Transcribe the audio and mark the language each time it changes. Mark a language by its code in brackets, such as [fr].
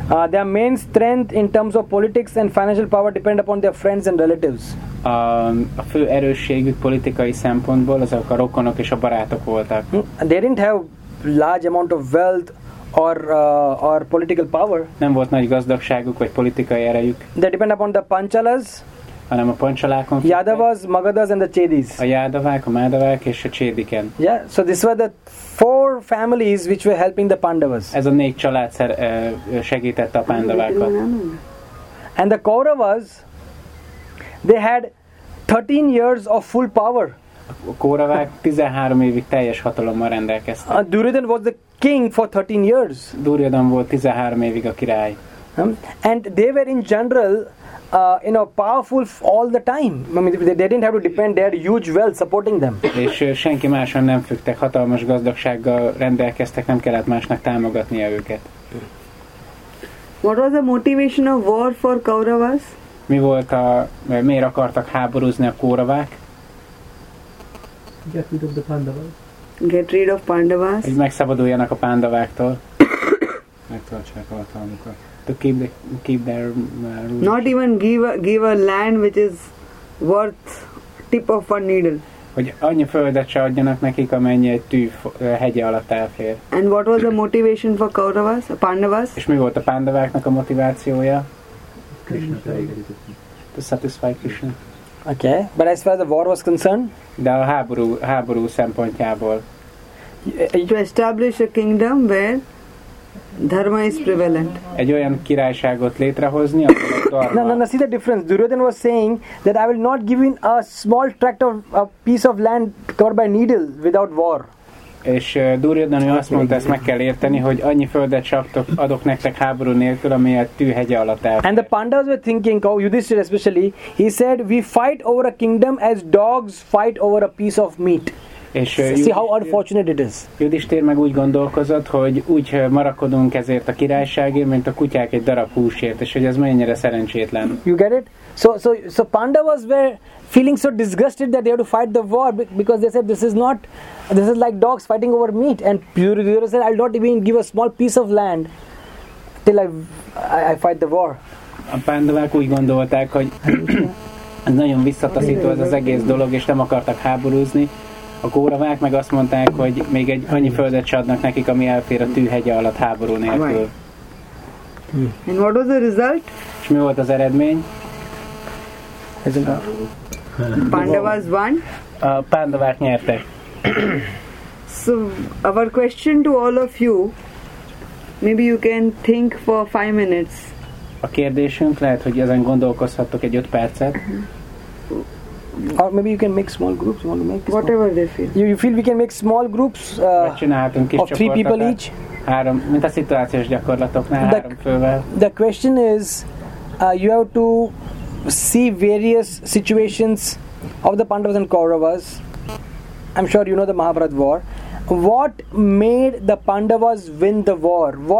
[en] Their main strength in terms of politics and financial power depend upon their friends and relatives. [hu] A fő erősségük politikai szempontból azok a rokonok és a barátok voltak. [en] They didn't have large amount of wealth or political power. [hu] Nem volt nagy gazdagságuk vagy politikai erejük. [en] They depend upon the panchalas. [hu] Hanem a panchalákon. [en] Yadavas, Magadhas and the Chedis. [hu] A Yadavák, a Madhavák és a Chediken. [en] Yeah, so this were the four families which were helping the Pandavas. [hu] Ez a négy család segítette a Pandavákat. [en] And the Kauravas, they had 13 years of full power. [hu] A Kauravák 13 évig teljes hatalommal rendelkeztek. [en] Duryodhan was the king for 13 years. Duryodhan volt 13 évig a király. And they were in general powerful all the time. I mean, they didn't have to depend, they had huge wealth supporting them. [hu] És senki máson nem függtek, hatalmas gazdagsággal rendelkeztek, nem kellett másnak támogatnia őket. [en] What was the motivation of war for Kauravas? [hu] Mi volt a, miért akartak háborúzni a Kauravák? [en] Get rid of the Pandavas. Get rid of Pandavas. [hu] Hogy megszabaduljanak a Pandaváktól. Megtartsák a hatalmukat. [en] To keep their rule. Not even give a land which is worth tip of one needle. [hu] Hogy annyi földet se adjanak nekik, amennyi egy tű hegye alatt elfér. [en] And what was the motivation for Kauravas, Pandavas? [hu] És mi volt a Pandaváknak a motivációja? [en] Krishna. To satisfy Krishna. Okay, but as far as the war was concerned, [hu] de a háború szempontjából, [en] to establish a kingdom where dharma is prevalent. [hu] Egy olyan királyságot létrehozni, ahol a dharma. [en] No, see the difference. Duryodhan was saying that I will not give in a small tract of a piece of land covered by needle without war. [hu] És Duryodhan azt mondta, ezt meg kell érteni, hogy annyi földet csak adok nektek háború nélkül, amelyet tűhegye alatt el. [en] And the Pandavas were thinking, how Yudhishthira especially, he said, we fight over a kingdom as dogs fight over a piece of meat. [hu] És [en] see how unfortunate it is. [hu] Yudhishthir meg úgy gondolkozott, hogy úgy marakodunk ezért a királyságért, mint a kutyák egy darab húsért, és hogy ez mennyire szerencsétlen. [en] You get it? So Pandavas were feeling so disgusted that they have to fight the war because they said this is like dogs fighting over meat, and Duryodhana said, I'll not even give a small piece of land till I fight the war. [hu] A Pandavák úgy gondolták, hogy nagyon visszataszító ez az egész dolog, és nem akartak háborúzni. A Kauravák meg azt mondták, hogy még egy annyi földet se adnak nekik, ami elfér a tűhegye alatt háború nélkül. [en] And what was the result? [hu] És mi volt az eredmény? [en] Pandavas won. [hu] A Pandavák nyertek. [en] So our question to all of you, maybe you can think for 5 minutes. [hu] A kérdésünk, lehet, hogy ezen gondolkozhattok egy 5 percet. [en] Or maybe you can make small groups. You want to make whatever they feel. You feel we can make small groups of three people each. [hu] Három, mint a szituációs gyakorlatoknál, három fővel. [en] The question is, you have to see various situations of the Pandavas and Kauravas. I'm sure you know the Mahabharat war. What made the Pandavas win the war?